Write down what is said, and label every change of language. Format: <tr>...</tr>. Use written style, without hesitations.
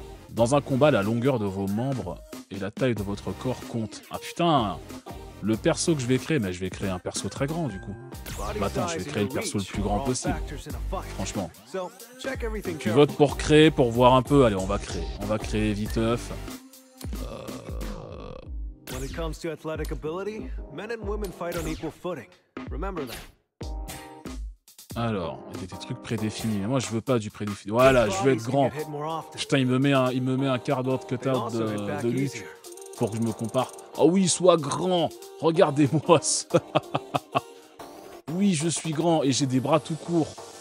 <fr>Dans un combat, la longueur de vos membres et la taille de votre corps compte. Ah putain, le perso que je vais créer, mais je vais créer un perso très grand du coup. Matin, je vais créer le perso le plus grand possible. Franchement. Tu votes pour créer, pour voir un peu. Allez, on va créer. On va créer viteuf.</fr> <en>When it comes to athletic ability, men and women fight on equal footing. Remember that.</en> <fr>Alors, il y a des trucs prédéfinis. Moi, je veux pas du prédéfini. Voilà, je veux être grand. Putain, il me met un</fr> <en>cardboard cutout</en> <fr>de Luke pour que je me compare. Oh oui, sois grand. Regardez-moi ça. Oui, je suis grand et j'ai des bras tout courts.</fr>